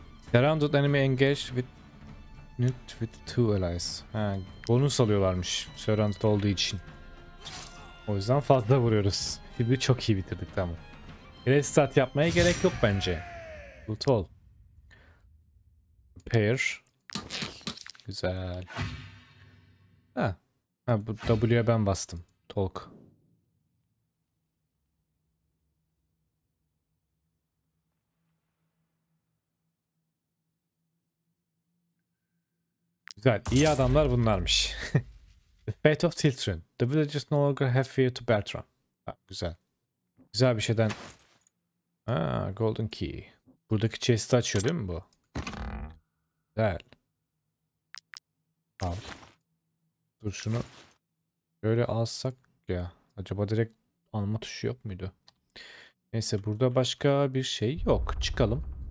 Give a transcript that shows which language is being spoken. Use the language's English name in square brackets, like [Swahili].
[English] Surrounded enemy engaged with two allies. [Turkish] Ha, bonus alıyorlarmış. Surrounded olduğu için. O yüzden fazla vuruyoruz. Gibi çok iyi bitirdik tamam. Restart yapmaya gerek yok bence. [English] Loot all. [Turkish] Repair. Güzel. Ha, bu W'ye ben bastım. Talk. Güzel. İyi adamlar bunlarmış. The Fate of Tiltrin. [English] The villagers no longer have fear to Bertram. [Turkish] Ha, güzel. Güzel bir şeyden. Ha, Golden Key. Buradaki chest'i açıyor değil mi bu? Güzel. Al. Dur şunu böyle alsak ya. Acaba direkt alma tuşu yok muydu? Neyse burada başka bir şey yok. Çıkalım.